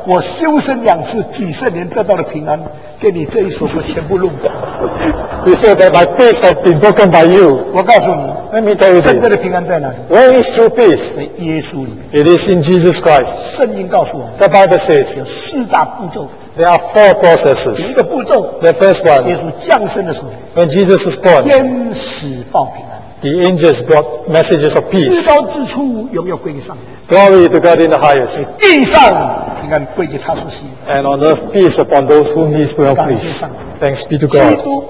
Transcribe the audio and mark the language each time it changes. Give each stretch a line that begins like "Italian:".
Chinese: 我修身两次, 几十年得到了平安, 给你这一首歌全部弄掉。
English: He said that my peace has been broken by you.
Chinese: 我告诉你,
English: let me tell you this.
Chinese: 真正的平安在哪里?
English: Where is true peace?
Chinese: 在耶稣里面,
English: it is in Jesus Christ.
Chinese: 圣经告诉我们,
English: the Bible says,
Chinese: 有四大步骤,
English: there are four processes.
Chinese: 第一个步骤,
English: the first one,
Chinese: 耶稣降生的时候,
English: when Jesus was born,
Chinese: 天使报平安,
English: the angels brought messages of peace.
Chinese: 至高之处, 有没有归给上帝?
English: Glory to God in the highest.
Chinese: 地上,
English: and on earth, peace upon those whom He is well pleased. Thanks be to God.